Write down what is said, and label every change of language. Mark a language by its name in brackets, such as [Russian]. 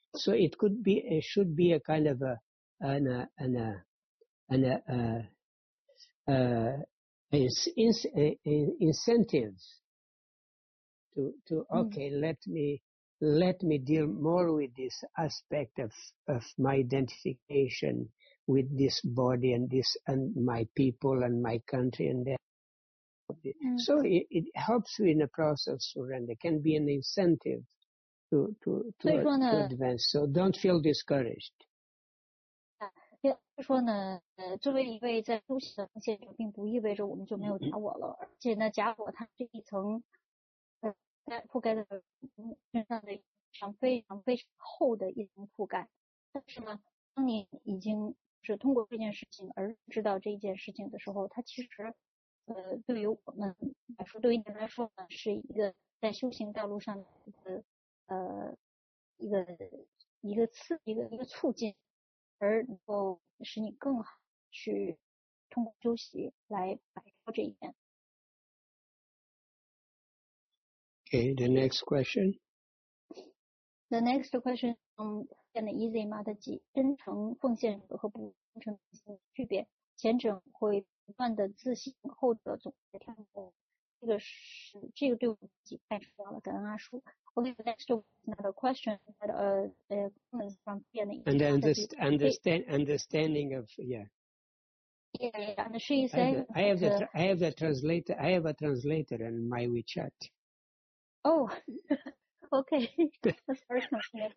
[English] So it could be, it should be a kind of incentive to let me deal more with this aspect of my identification with this body and this and my people and my country and their body. Mm-hmm. So it helps you in the process of surrender, can be an incentive to advance. So don't feel discouraged. [Chinese] 说呢，作为一位在修行的奉献者，并不意味着我们就没有假我了。而且呢，假我它是一层，覆盖的身上的非常非常非常厚的一层覆盖。但是呢，当你已经是通过这件事情而知道这件事情的时候，它其实，对于我们来说，对于您来说呢，是一个在修行道路上的一个促进。而能够使你更好去通过休息来摆脱这一点。 [English] Okay, the next question. The next question from Easy Mataji, [Chinese] 真诚奉献者和不真诚奉献者的区别，前者会不断的自省，后者总在跳脱。这个对我自己太重要了，感恩阿叔。 [English] Okay, the next another question that comes from Jenny. And then understanding of and she is saying I have a translator in my WeChat. Oh, okay. That's very nice.